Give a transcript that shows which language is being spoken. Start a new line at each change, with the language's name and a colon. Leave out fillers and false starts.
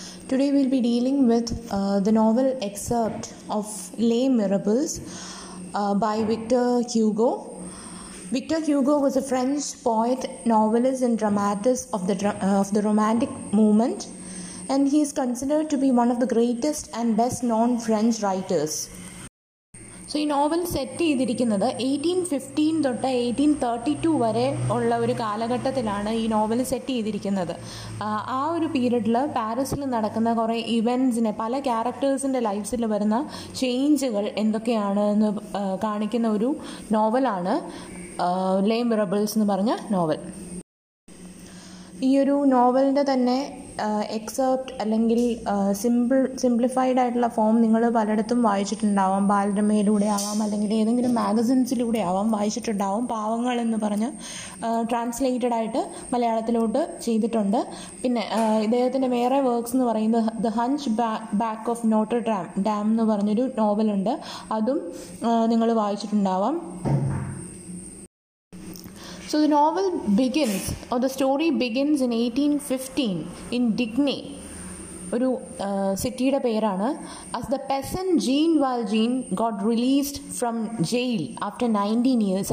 English: Today we'll be dealing with the novel excerpt of Les Mirables by Victor Hugo. Victor Hugo was a French poet, novelist and dramatist of the Romantic movement, and he is considered to be one of the greatest and best known French writers.
Malayalam: So ഈ novel set ചെയ്തിരിക്കുന്നത് 1815 തൊട്ട് 1832 വരെ ഉള്ള ഒരു കാലഘട്ടത്തിലാണ് ഈ novel set ചെയ്തിരിക്കുന്നത്. ആ ഒരു പീരീഡിൽ പാരീസിൽ നടക്കുന്ന കുറേ ഇവൻസിനെ, പല ക്യാരക്ടേഴ്സിൻ്റെ ലൈഫ്സിൽ വരുന്ന ചേഞ്ചുകൾ എന്തൊക്കെയാണ് എന്ന് കാണിക്കുന്ന ഒരു നോവലാണ് ലേ മിറബിൾസ് എന്ന് പറഞ്ഞ നോവൽ. ഈ ഒരു നോവലിൻ്റെ തന്നെ എക്സെപ്റ്റ് അല്ലെങ്കിൽ സിംപ്ലിഫൈഡ് ആയിട്ടുള്ള ഫോം നിങ്ങൾ പലയിടത്തും വായിച്ചിട്ടുണ്ടാവാം. ബാലരമയിലൂടെ ആവാം അല്ലെങ്കിൽ ഏതെങ്കിലും മാഗസിൻസിലൂടെ ആവാം വായിച്ചിട്ടുണ്ടാവാം. പാവങ്ങൾ എന്ന് പറഞ്ഞ് ട്രാൻസ്ലേറ്റഡ് ആയിട്ട് മലയാളത്തിലോട്ട് ചെയ്തിട്ടുണ്ട്. പിന്നെ ഇദ്ദേഹത്തിൻ്റെ വേറെ വർക്ക്സ് എന്ന് പറയുന്നത് the hunch back of നോട്ടർ dam എന്ന് പറഞ്ഞൊരു നോവലുണ്ട്, അതും നിങ്ങൾ വായിച്ചിട്ടുണ്ടാവാം.
English: So the novel begins, or the story begins in 1815 in Digne,
Malayalam: oru city-yude perana,
English: as the peasant Jean Valjean got released from jail after 19 years.